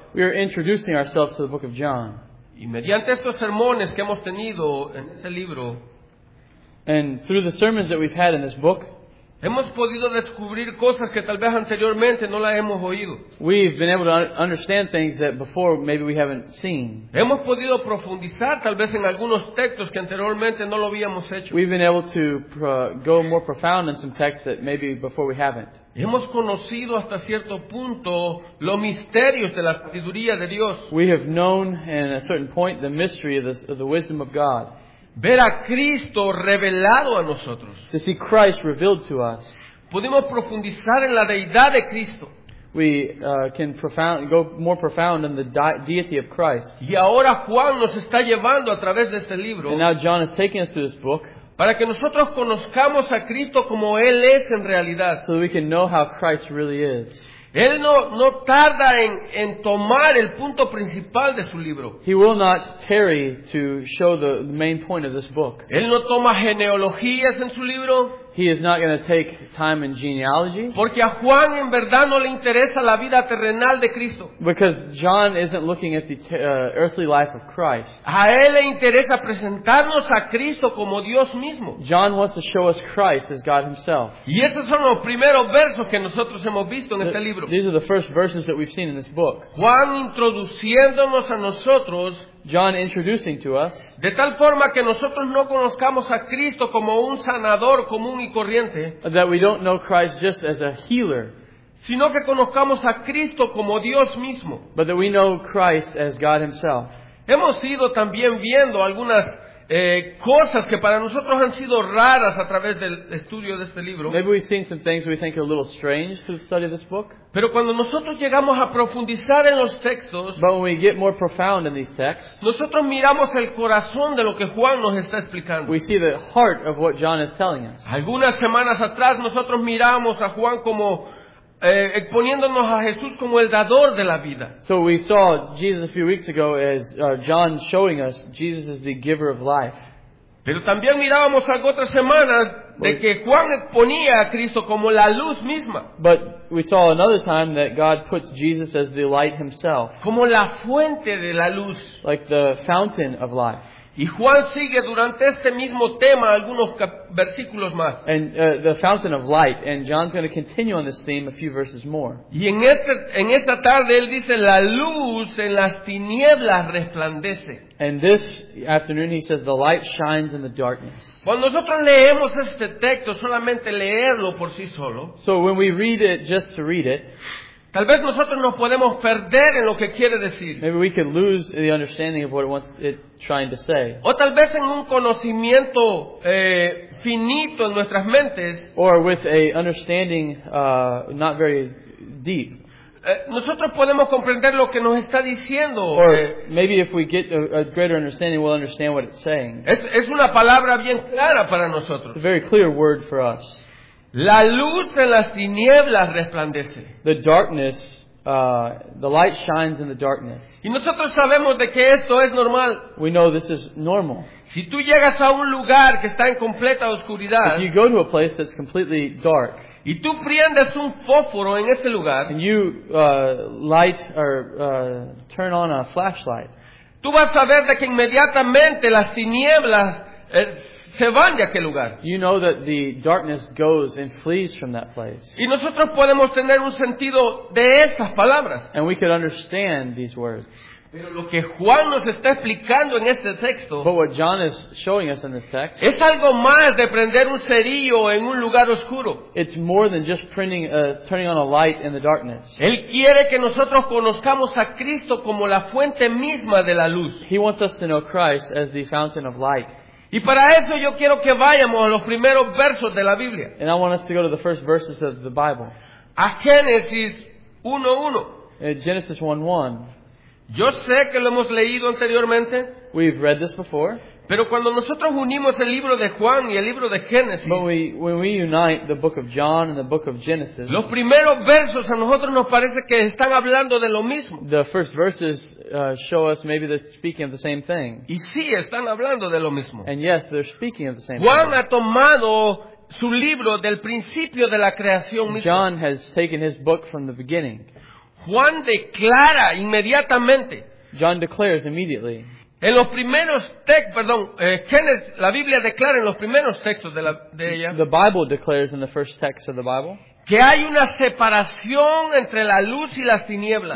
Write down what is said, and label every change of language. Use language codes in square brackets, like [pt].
[en] We are introducing ourselves to the book of John. [es] Y mediante estos sermones que hemos tenido en este libro, [en] and through the sermons that we've had in this book, [es] hemos podido descubrir cosas que tal vez anteriormente no las hemos oído. [en] We've been able to understand things that before maybe we haven't seen. [es] Hemos podido profundizar tal vez en algunos textos que anteriormente no lo habíamos hecho. [en] We've been able to go more profound in some texts that maybe before we haven't. [es] Hemos conocido hasta cierto punto los misterios de la sabiduría de Dios. [en] We have known in a certain point the mystery of the wisdom of God. [es] Ver a Cristo revelado a nosotros. [en] To see Christ revealed to us. [es] Podemos profundizar en la deidad de Cristo. [en] We can go more profound in the deity of Christ. [es] Y ahora Juan nos está llevando a través de este libro. [en] And now John is taking us to this book. [es] Para que nosotros conozcamos a Cristo como Él es en realidad. [en] So that we can know how Christ really is. [es] Él no tarda en tomar el punto principal de su libro. [en] He will not tarry to show the main point of this book. [es] Él no toma genealogías en su libro. [en] He is not going to take time in genealogy. [es] Porque a Juan en verdad no le interesa la vida terrenal de Cristo. [en] Because John isn't looking at the earthly life of Christ. [es] A él le interesa presentarnos a Cristo como Dios mismo. [en] John wants to show us Christ as God himself. [es] Y esos son los primeros versos que nosotros hemos visto en este libro. [en] These are the first verses that we've seen in this book. [es] Juan introduciéndonos a nosotros. [en] John introducing to us. [es] De tal forma que nosotros no conozcamos a Cristo como un sanador común y corriente. [en] That we don't know Christ just as a healer. [es] Sino que conozcamos a Cristo como Dios mismo. [en] But that we know Christ as God himself. [es] Hemos ido también viendo algunas cosas que para nosotros han sido raras a través del estudio de este libro. [en] Maybe we've seen some things we think are a little strange through the study of this book. [es] Pero cuando nosotros llegamos a profundizar en los textos, [en] but when we get more profound in these texts, [es] nosotros miramos el corazón de lo que Juan nos está explicando. [en] We see the heart of what John is telling us. [es] Algunas semanas atrás nosotros miramos a Juan como exponiéndonos a Jesús como el dador de la vida. [en] So we saw Jesus a few weeks ago as John showing us Jesus is the giver of life. [es] Pero también mirábamos algo otra semana de que Juan exponía a Cristo como la luz misma. [en] But we saw another time that God puts Jesus as the light himself. [es] Como la fuente de la luz. [en] Like the fountain of life. [es] Y Juan sigue durante este mismo tema algunos versículos más. [en] And the fountain of light, and John's going to continue on this theme a few verses more. [es] Y en esta tarde él dice la luz en las tinieblas resplandece. [en] And this afternoon he says the light shines in the darkness. [es] Cuando nosotros leemos este texto, solamente leerlo por sí solo. [en] So when we read it just to read it, [es] tal vez nosotros nos podemos perder en lo que quiere decir. [en] Maybe we could lose the understanding of what it wants it trying to say. [es] O tal vez en un conocimiento finito en nuestras mentes. [en] Or with a understanding not very deep. [es] Nosotros podemos comprender lo que nos está diciendo. [en] Or maybe if we get a greater understanding, we'll understand what it's saying. [es] Es una palabra bien clara para nosotros. [en] It's a very clear word for us. [es] La luz en las tinieblas resplandece. [en] The darkness, the light shines in the darkness. [es] Y nosotros sabemos de que esto es normal. [en] We know this is normal. [es] Si tú llegas a un lugar que está en completa oscuridad, [en] if you go to a place that's completely dark, [es] y tú prendes un fósforo en ese lugar, [en] and you light or turn on a flashlight, [es] tú vas a ver de que inmediatamente las tinieblas se van de aquel lugar. [en] You know that the darkness goes and flees from that place. [es] Y nosotros podemos tener un sentido de esas palabras. [en] And we could understand these words. [es] Pero lo que Juan nos está explicando en este texto, [en] but what John is showing us in this text, [es] es algo más de prender un cerillo en un lugar oscuro. [en] It's more than just turning on a light in the darkness. [es] Él quiere que nosotros conozcamos a Cristo como la fuente misma de la luz. [en] He wants us to know Christ as the fountain of light. [es] Y para eso yo quiero que vayamos a los primeros versos de la Biblia. [en] And I want us to go to the first verses of the Bible. [es] A Génesis 1:1. [en] Genesis 1:1. [es] Yo sé que lo hemos leído anteriormente. [en] We've read this before. [es] Pero cuando nosotros unimos el libro de Juan y el libro de Génesis, [en] but when we unite the book of John and the book of Genesis, [es] los primeros versos a nosotros nos parece que están hablando de lo mismo. [en] The first verses show us maybe they're speaking of the same thing. [es] Y sí, están hablando de lo mismo. [en] And yes, they're speaking of the same [es] Juan [en] thing. [es] Juan ha tomado su libro del principio de la creación misma. [en] John has taken his book from the beginning. [es] Juan declara inmediatamente. [en] John declares immediately. [es] En los primeros Génesis, la Biblia declara en los primeros textos de ella. [en] The Bible declares in the first text of the Bible. [es] Que hay una separación entre la luz y las tinieblas.